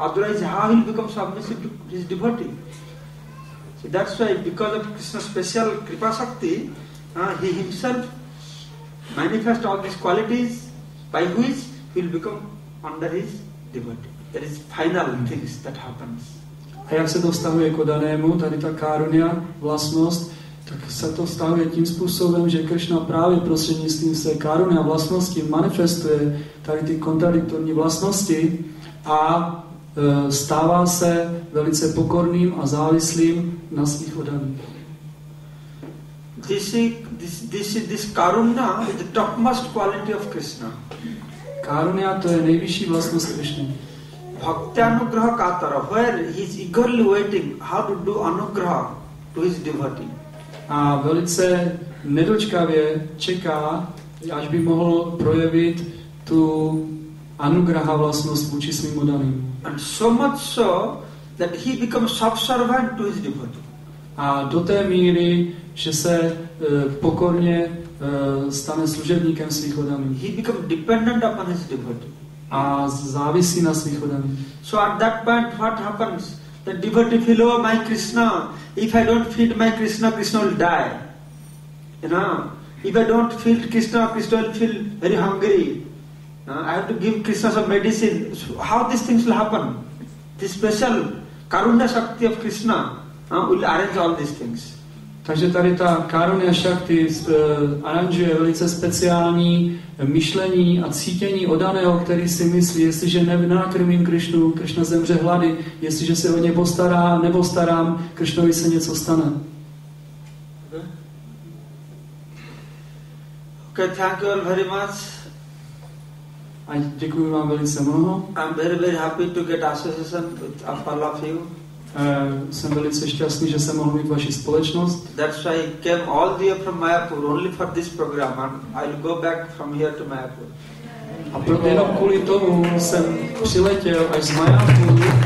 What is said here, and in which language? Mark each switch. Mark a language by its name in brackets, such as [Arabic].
[English] Otherwise, how he'll become submissive to his devotee? So that's why, because of Krishna's special kripa shakti, he himself manifests all these qualities by which he'll become under his devotee. There is final things that happens. [Czech] A jak se to vztahuje k odanému, tady ta karuna vlastnost, tak se to vztahuje tím způsobem, že Krishna právě prostřednictvím se karuna vlastnosti manifestuje tady ty kontradiktorní vlastnosti a stává se velice pokorným a závislým na svých odaných. [English] This karuna is the topmost quality of Krishna. [Czech] Karuna, to je nejvyšší vlastnost Krishna. [English] Bhaktyanugraha katara, where he is eagerly waiting how to do anugraha to his devotee. [Czech] A velice nedočkavě čeká, až by mohl projevit tu anugraha vlastnost vůči svým oddaným. [English] And so much so that he becomes subservient to his devotee. [Czech] A do té míry, že se pokorně stane služebníkem svých oddaných. [English] He becomes dependent upon his devotee. [Czech] A závisí na svých oddaných. [English] So at that point, what happens? The devotee feels, oh my Krishna, if I don't feed my Krishna, Krishna will die. You know, if I don't feed Krishna, Krishna will feel very hungry. I have to give Krishna some medicine. So how these things will happen? This special karuna shakti of Krishna will arrange all these things. [Czech] Takže tady ta Karuna Shakti aranžuje velice speciální myšlení a cítění odaného, který si myslí, jestliže nenakrmím Krišnu, Krišna zemře hlady, jestliže se o ně postarám, nebo starám, Krišnovi se něco stane. [English] Okay, thank you all very much. [Czech] A děkuji vám velice mnoho. [English] I'm very, very happy to get association with all of you. [Czech] Jsem velice šťastný, že jsem mohl mít vaši společnost. [English] That's why I came all the way from Mayapur only for this program, and I'll go back from here to Mayapur. [Czech] A proto jenom kvůli tomu jsem přiletěl až z Mayapur.